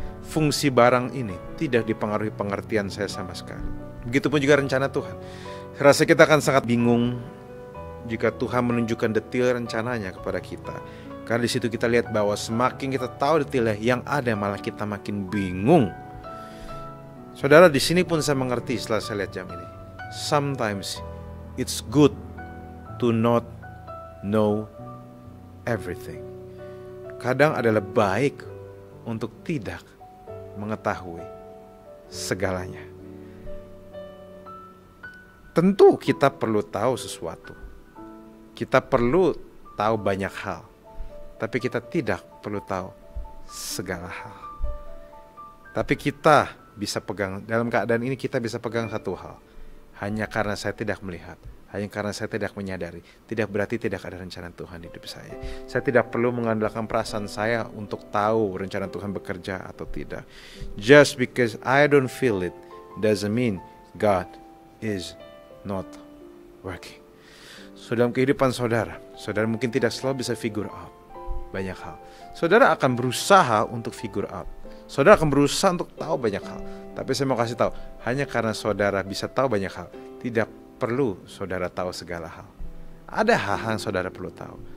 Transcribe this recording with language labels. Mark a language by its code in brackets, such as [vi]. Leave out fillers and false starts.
[id] Fungsi barang ini tidak dipengaruhi pengertian saya sama sekali. Begitupun juga rencana Tuhan. Rasanya kita akan sangat bingung jika Tuhan menunjukkan detail rencananya kepada kita. Karena di situ kita lihat bahwa semakin kita tahu detailnya, yang ada malah kita makin bingung. Saudara, di sini pun saya mengerti setelah saya lihat jam ini. [en] Sometimes it's good to not know everything. [id] Kadang adalah baik untuk tidak mengetahui segalanya. Tentu kita perlu tahu sesuatu. Kita perlu tahu banyak hal. Tapi kita tidak perlu tahu segala hal. Tapi kita bisa pegang, dalam keadaan ini kita bisa pegang satu hal. Hanya karena saya tidak melihat, hanya karena saya tidak menyadari, tidak berarti tidak ada rencana Tuhan di hidup saya. Saya tidak perlu mengandalkan perasaan saya untuk tahu rencana Tuhan bekerja atau tidak. [en] Just because I don't feel it doesn't mean God is not working. [id] So, dalam kehidupan saudara, saudara mungkin tidak selalu bisa figure out banyak hal. Saudara akan berusaha untuk figure out. Saudara akan berusaha untuk tahu banyak hal. Tapi saya mau kasih tahu, hanya karena saudara bisa tahu banyak hal, tidak perlu saudara tahu segala hal. Ada hal-hal yang saudara perlu tahu.